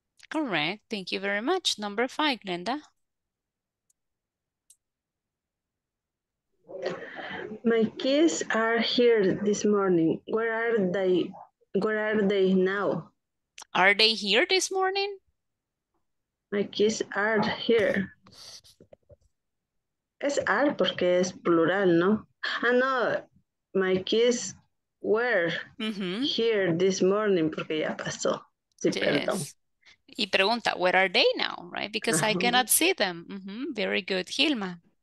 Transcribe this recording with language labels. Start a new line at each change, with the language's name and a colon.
English: Correct. Thank you very much. Number five, Glenda. My kids are here this morning. Where are they now? Are they here this morning? My kids are here.
Spanish: Es are porque es plural, ¿no? Ah, no.
English: My kids were here this morning
Spanish: porque ya pasó. Sí, yes. Perdón. Y pregunta,
English: where are they now, right? Because I cannot see them. Mm-hmm. Very good. Hilma.